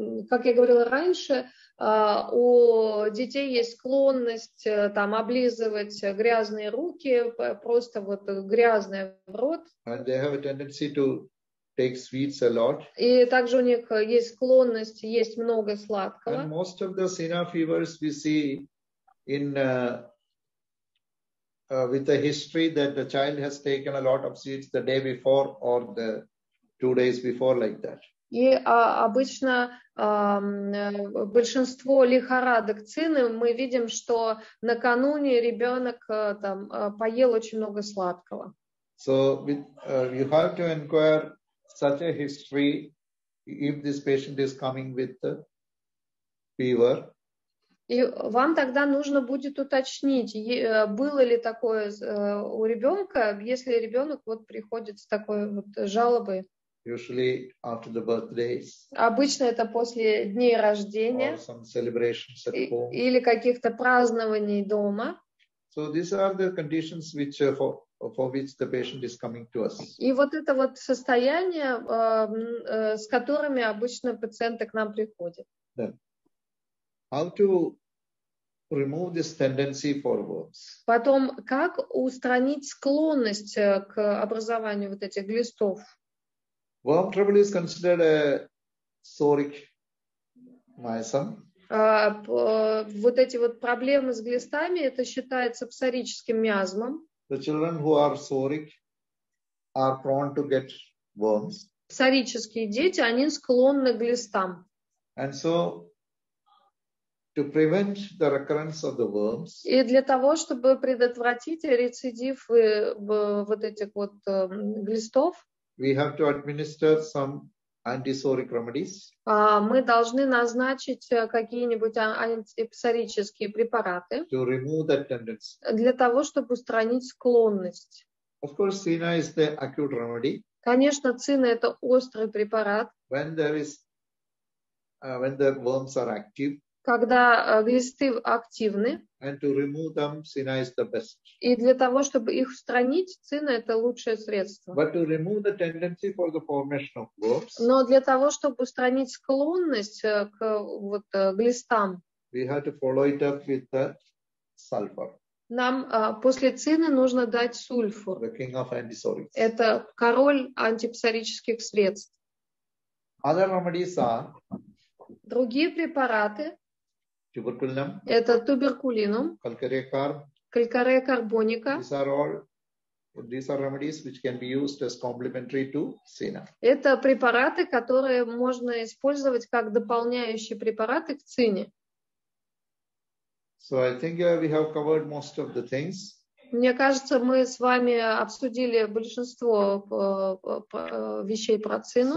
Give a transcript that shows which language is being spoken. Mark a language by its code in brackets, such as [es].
[ru] Как я говорила раньше, у детей есть склонность там облизывать грязные руки, просто вот грязное в рот. [en] And they have a tendency to take sweets a lot. [ru] И также у них есть склонность есть много сладкого. [en] And most of the sina fevers we see in with the history that the child has taken a lot of sweets the day before or the 2 days before like that. [ru] И обычно большинство лихорадок цины мы видим, что накануне ребенок там поел очень много сладкого. [en] So you have to inquire such a history if this patient is coming with the fever. [ru] И вам тогда нужно будет уточнить, было ли такое у ребенка, если ребенок вот приходит с такой вот жалобой. [en] Usually after the birthdays. [ru] Обычно это после дней рождения. [en] Or some celebrations at home. [ru] Или каких-то празднований дома. [en] So these are the conditions which for which the patient is coming to us. [ru] И вот это вот состояние, с которыми обычно пациенты к нам приходят. [en] Yeah. How to remove this tendency for worms? [ru] Потом, как устранить склонность к образованию вот этих глистов? [en] Worm trouble is considered a psoric miasm. [ru] Вот эти вот проблемы с глистами, это считается псорическим миазмом. [en] The children who are psoric are prone to get worms. [ru] Псорические дети, они склонны к глистам. [en] And so, to prevent the recurrence of the worms. [ru] И для того, чтобы предотвратить рецидив вот этих вот глистов, [en] we have to administer some anti-psoric remedies. [ru] Мы должны назначить какие-нибудь антипсорические препараты. [en] To remove that tendency. [ru] Для того, чтобы устранить склонность. [en] Of course, sina is the acute remedy. [ru] Конечно, цина это острый препарат. [en] When there is, when the worms are active. [ru] Когда глисты активны. [en] And to remove them, sina is the best. [ru] И для того, чтобы их устранить, цина это лучшее средство. [en] But to remove the tendency for the formation of worms, [ru] но для того, чтобы устранить склонность к вот, глистам, [en] we have to follow it up with the sulfur. [ru] Нам после цины нужно дать сульфур. [en] The king of antipsorics. [ru] Это король антипсорических средств. [en] Other remedies are [ru] другие препараты. [en] Tuberculum, [ru] это туберкулинум, [en] calcarea carb, [ru] calcarea carbonica. [en] These are all These are remedies which can be used as complementary to Sena. [ru] Это препараты, которые можно использовать как дополняющие препараты к Сене. [en] So I think we have covered most of the things. [ru] Мне кажется, мы с вами обсудили большинство вещей про Сену.